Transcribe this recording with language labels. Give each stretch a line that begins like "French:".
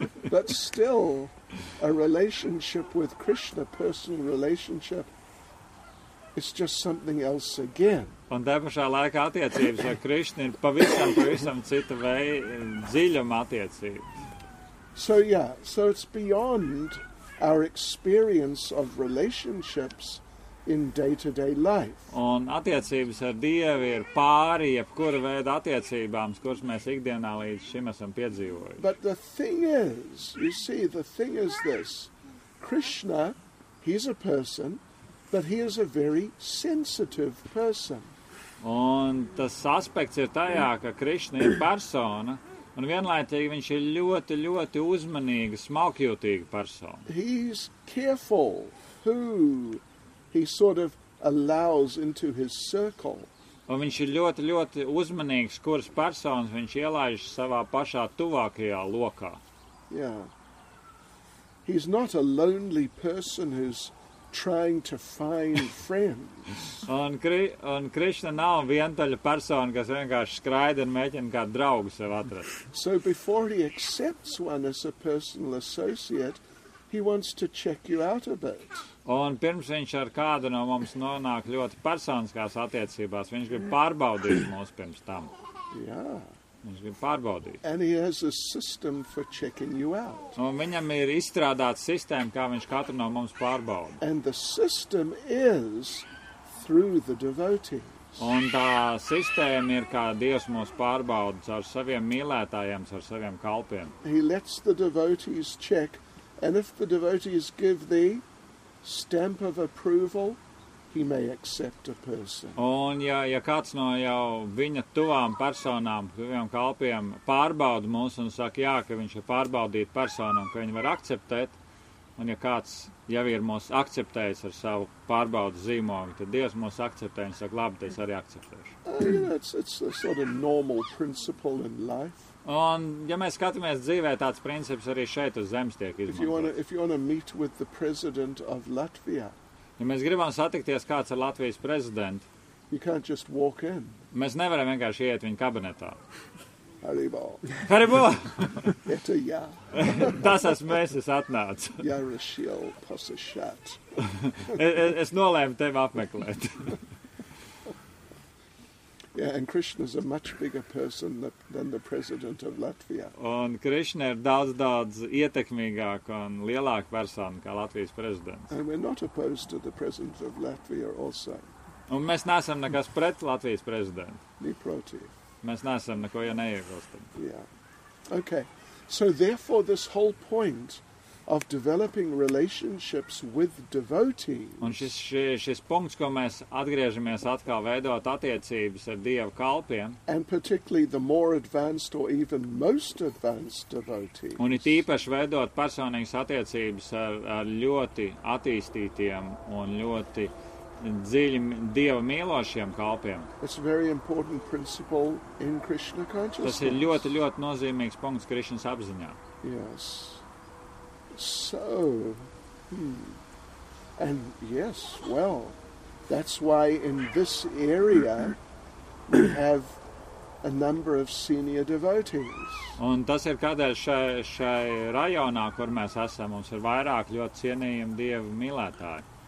English: But still, a relationship with Krishna, personal relationship, is just something else again.
Latvian: Un tā pašā laikā attiecības ar Krishna ir pavisam, pavisam cita veida dziļuma attiecības.
English: So, yeah, so it's beyond our experience of relationships in day-to-day life.
Latvian: Un attiecības ar Dievu ir pāri jebkura veida attiecībām, kuras mēs ikdienā līdz šim esam piedzīvojuši.
English: But the thing is, you see, the thing is this. Krishna, he's a person, but he is a very sensitive person.
Latvian: Un tas aspekts ir tajā, ka Krishna ir persona, un vienlaicīgi viņš ir ļoti, ļoti uzmanīga, smalkjūtīga persona.
English: He's careful who he sort of allows into his circle.
Latvian: Un viņš ir ļoti, ļoti uzmanīgs, kuras personas viņš ielaiž savā pašā tuvākajā lokā.
English: Yeah. He's not a lonely person who's trying to find friends.
Latvian: un Krishna nav vientaļa persona, kas vienkārši skraida un mēķina kā draugu sev atrast.
English: So before he accepts one as a personal associate, he wants to check you out a bit.
Latvian: Un pirms viņš ar kādu no mums nonāk ļoti personiskās attiecībās, viņš grib pārbaudīt mūs pirms tam. Jā. Viņš grib pārbaudīt.
English: And he has a system for checking you out.
Latvian: Un viņam ir izstrādāta sistēma, kā viņš katru no mums pārbauda.
English: And the system is through the devotees.
Latvian: Un tā sistēma ir, kā Dievs mūs pārbauda ar saviem mīlētājiem, ar saviem kalpiem.
English: He lets the devotees check And if the devotees give the stamp of approval, he may accept a person.
Latvian: Un ja kāds no jau viņa tuvām personām, tuviem kalpiem, pārbauda mūs un saka, jā, ka viņš ir pārbaudīta persona un ka viņi var akceptēt, un ja kāds jau ir mūs akceptējis ar savu pārbaudu zīmogu, tad Dievs mūs akceptē un saka, labi, es arī akceptēšu.
English: It's a sort of normal principle in life.
Latvian: Un, ja mēs skatāmies dzīvē, tāds princips arī šeit uz zemes tiek izmantots.
English: If you want to meet with the president of Latvia,
Latvian: ja mēs gribam satikties kāds ar Latvijas prezidentu,
English: you can't just walk in.
Latvian: Mēs nevaram vienkārši iet viņa kabinetā. Haribo! Haribo!
Russian: Eta ja!
Latvian: Tas esmu mēs, es atnācu.
Russian: Jarašiel posašat.
Latvian: Es nolēmu tevi apmeklēt.
English: Yeah, and Krishna is a much bigger person than the president of Latvia.
Latvian: Un Krishna ir daudz, daudz ietekmīgāk un lielāk persona kā Latvijas prezidents.
English: And we're not opposed to the president of Latvia also.
Latvian: Un mēs neesam nekas pret Latvijas prezidentu.
Russian: Ni proti.
Latvian: Mēs neesam neko, ja neiegulstam.
English: Yeah. Okay. So therefore this whole point of developing relationships with devotees.
Latvian: Un šis punkts, ko mēs atgriežamies atkal veidot attiecības ar Dieva kalpiem.
English: And particularly the more advanced or even most advanced devotees.
Latvian: Un it īpaši veidot personīgas attiecības ar ļoti attīstītiem un ļoti dziļi Dieva mīlošiem kalpiem.
English: It's a very important principle in Krishna consciousness.
Latvian: Tas ir ļoti, ļoti nozīmīgs punkts Krišnas apziņā.
English: Yes. So, and yes, well, that's why in this area we have a number of senior devotees.
Latvian: Un tas ir kādēļ šai rajonā, kur mēs esam, mums ir vairāk ļoti cienījumi Dievu mīlētāji.